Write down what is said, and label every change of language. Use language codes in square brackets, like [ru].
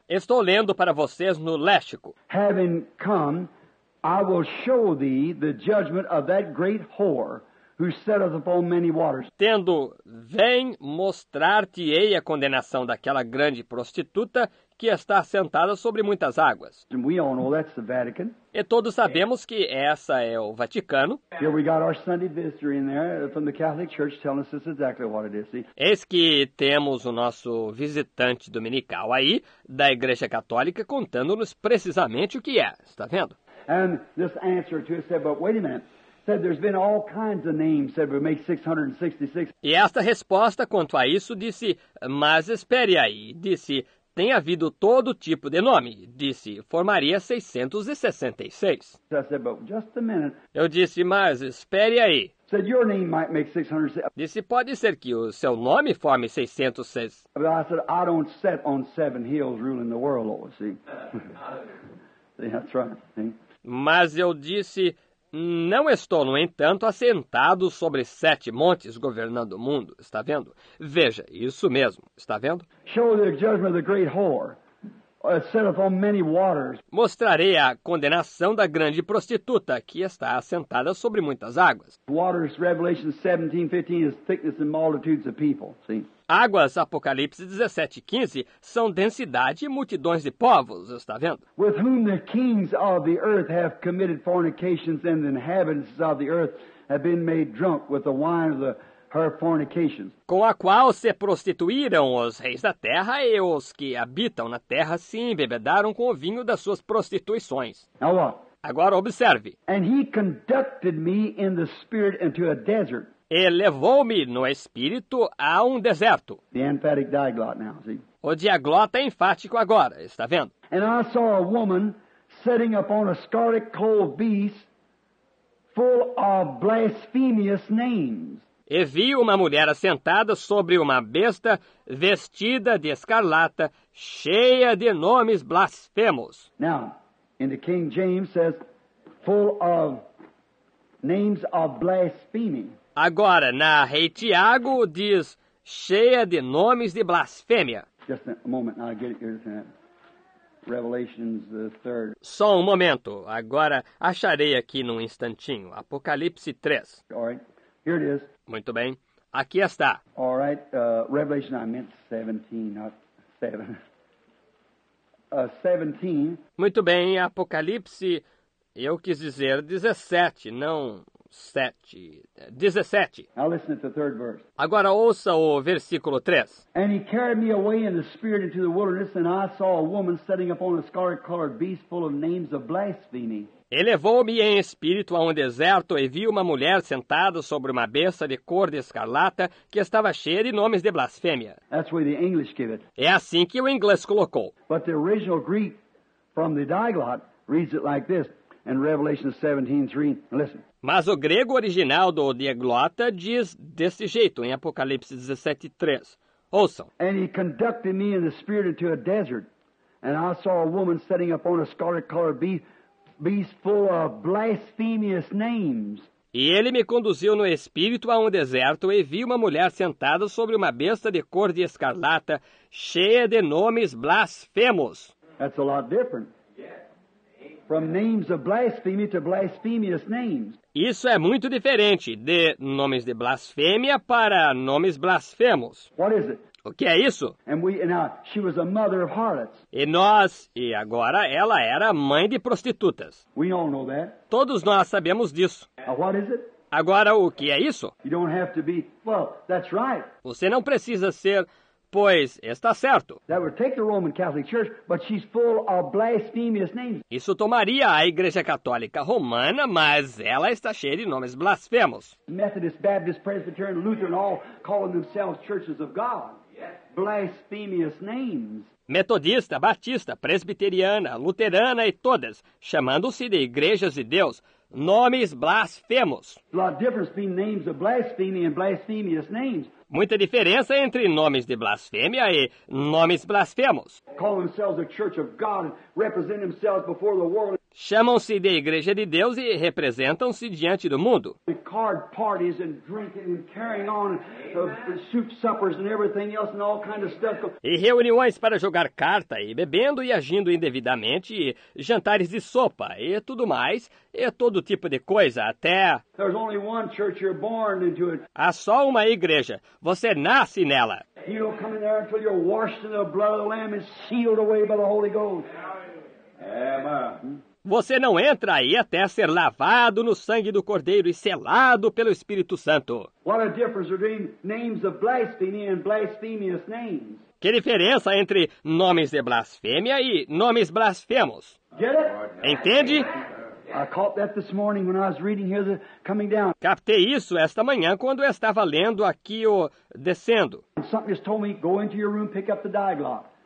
[pt] Estou lendo para vocês no léxico. [en] Having come, I will show thee the judgment of that great whore who setteth upon many waters. [pt] Tendo, vem mostrar-te-ei a condenação daquela grande prostituta que está sentada sobre muitas águas. [en] And we all know that's the Vatican. [pt] E todos sabemos que essa é o Vaticano. [en] Here we got our Sunday visitor in there from the Catholic Church telling us this exactly what it is. See? [pt] Eis que temos o nosso visitante dominical aí da Igreja Católica contando-nos precisamente o que é. Está vendo? [en] And this answer to us said, but wait a minute. Said there's been all kinds of names, said we make 666. [pt] E esta resposta quanto a isso disse, mas espere aí, disse, tem havido todo tipo de nome, disse, formaria 666. [en] I said, but just a minute. [pt] Eu disse, mas espere aí. [en] Said your name might make 666. [pt] Disse, pode ser que o seu nome forme 666. [en] I said, I don't sit on seven hills ruling the world, Lord, see? See, that's right. See? [pt] Mas eu disse, não estou, no entanto, assentado sobre sete montes governando o mundo. Está vendo? Veja, isso mesmo. Está vendo? [en] Show the judgment of the great whore, set upon many waters. [pt] Mostrarei a condenação da grande prostituta que está assentada sobre muitas águas. [en] Waters, Revelation 17:15 is thickness and multitudes of people. See? [pt] Águas, Apocalipse 17:15, são densidade e multidões de povos, está vendo? [en] With whom the kings of the earth have committed fornications, and the inhabitants of the earth have been made drunk with the wine of her fornications. [pt] Com a qual se prostituíram os reis da terra e os que habitam na terra se embebedaram com o vinho das suas prostituições. [en] Now what? [pt] Agora observe. [en] And he conducted me in the spirit into a desert. [pt] E levou-me no espírito a um deserto. [en] The emphatic diglot now, see? [pt] O diaglota enfático agora, está vendo? [en] And I saw a woman sitting upon a scarlet coal beast full of blasphemous names. [pt] E vi uma mulher assentada sobre uma besta vestida de escarlata, cheia de nomes blasfemos. [en] Now, in the King James says, full of names of blasphemy. [pt] Agora, na Rei Tiago, diz, cheia de nomes de blasfêmia. [en] Just a moment, I'll get it here. Revelations, the third. [pt] Só um momento, agora acharei aqui num instantinho. Apocalipse 3. [en] All right, here it is. [pt] Muito bem, aqui está. [en] All right, Revelation, I meant 17, not 7. 17. [pt] Muito bem, Apocalipse, eu quis dizer 17, não 7, 17. [en] Now listen to the third verse. [pt] Agora ouça o versículo 3. [en] And he carried me away in the spirit into the wilderness, and I saw a woman sitting upon a scarlet-colored beast full of names of blasphemy. [pt] Ele levou-me em espírito a um deserto e vi uma mulher sentada sobre uma besta de cor de escarlata que estava cheia de nomes de blasfêmia. [en] That's where the English gave it. [pt] É assim que o inglês colocou. [en] But the original Greek from the diglot reads it like this in Revelation 17:3. Listen. [pt] Mas o grego original do diglota diz desse jeito em Apocalipse 17:3. Ouçam. [en] And he conducted me in the spirit into a desert, and I saw a woman sitting upon a scarlet-colored beast full of blasphemous names. [pt] E ele me conduziu no espírito a um deserto e vi uma mulher sentada sobre uma besta de cor de escarlata, cheia de nomes blasfemos. [en] That's a lot different. From names of blasphemy to blasphemous names. [pt] Isso é muito diferente de nomes de blasfêmia para nomes blasfemos. [en] What is it? [pt] O que é isso? [en] She was a mother of harlots. [pt] E agora ela era mãe de prostitutas. [en] We all know that. [pt] Todos nós sabemos disso. [en] What is it? [pt] Agora, o que é isso? [en] You don't have to be, well, that's right. [pt] Você não precisa ser, pois está certo. [en] That would take the Roman Catholic Church, but she's full of blasphemous names. [pt] Isso tomaria a Igreja Católica Romana, mas ela está cheia de nomes blasfemos. [en] Methodist, Baptist, Presbyterian, Lutheran, all calling themselves churches of God. Blasphemous names. [pt] Metodista, Batista, Presbiteriana, Luterana e todas, chamando-se de Igrejas de Deus, nomes blasfemos. [en] A lot of difference between names of blasphemy and blasphemous names. [pt] Muita diferença entre nomes de blasfêmia e nomes blasfemos. [en] Call themselves a church of God and represent themselves before the world. [pt] Chamam-se de Igreja de Deus e representam-se diante do mundo. [en] The card parties and drinking and carrying on soup suppers and everything else and all kind of stuff. [pt] E reuniões para jogar carta e bebendo e agindo indevidamente, e jantares de sopa e tudo mais, e todo tipo de coisa, até... [en] There's only one church you're born into it. [pt] Há só uma igreja. Você nasce nela. [en] You don't come in there until you're washed in the blood of the Lamb and sealed away by the Holy Ghost. [pt] Você não entra aí até ser lavado no sangue do Cordeiro e selado pelo Espírito Santo. [en] What a difference between names of blasphemy and blasphemous names. [pt] Que diferença entre nomes de blasfêmia e nomes blasfemos? [en] Get it? [pt] Entende? [en] I caught that this morning when I was reading here the coming down. [pt] Captei isso esta manhã quando eu estava lendo aqui o descendo. [en] Something just told me, go into your room, pick up the diglot.